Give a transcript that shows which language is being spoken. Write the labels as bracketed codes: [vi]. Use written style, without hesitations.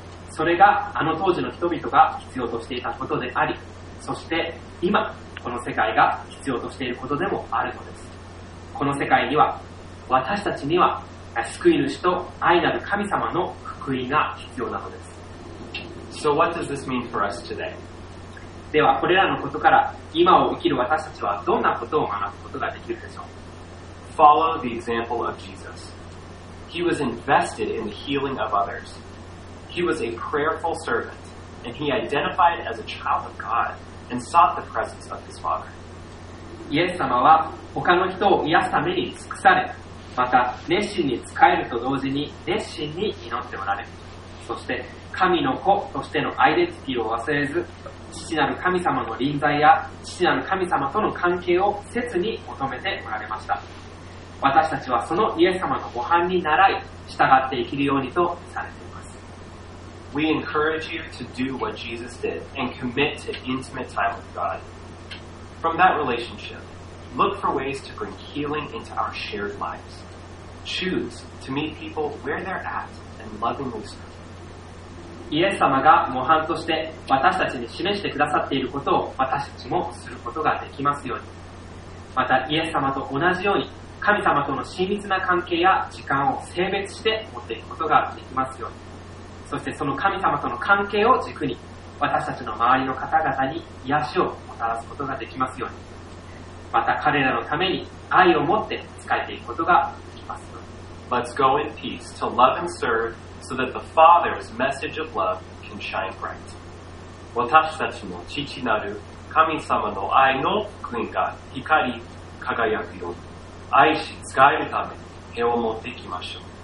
[ja] それがあの当時の人々が必要としていたことであり、そして今この世界が必要としていることでもあるのです。この世界には私たちには救い主と愛なる神様の福音が必要なのです。 [en] So what does this mean for us today? [ja] ではこれらのことから今を生きる私たちはどんなことを学ぶことができるでしょう。 [en] Follow the example of Jesus. He was invested in the healing of others. He was a prayerful servant, and he identified as a child of God and sought the presence of his Father. [ja] イエス様は他の人を癒すために尽くされ、また熱心に仕えると同時に熱心に祈っておられ、そして神の子としてのアイデンティティを忘れず、父なる神様の臨在や父なる神様との関係を切に求めておられました。私たちはそのイエス様の模範に習い従って生きるようにとされています。 [en] We encourage you to do what Jesus did and commit to intimate time with God. From that relationship, look for ways to bring healing into our shared lives. Choose to meet people where they're at and lovingly serve. [ja] イエス様が模範として私たちに示してくださっていることを私たちもすることができますように、またイエス様と同じように神様との親密な関係や時間を性別して持っていくことができますように、そしてその神様との関係を軸に私たちの周りの方々に癒しをもたらすことができますように、また彼らのために愛を持って仕えていくことができます。 [en] Let's go in peace to love and serve so that the Father's message of love can shine bright. [ja] 私たちの父なる神様の愛の福音が光り輝くように、愛し仕えるために平和を持っていきましょう。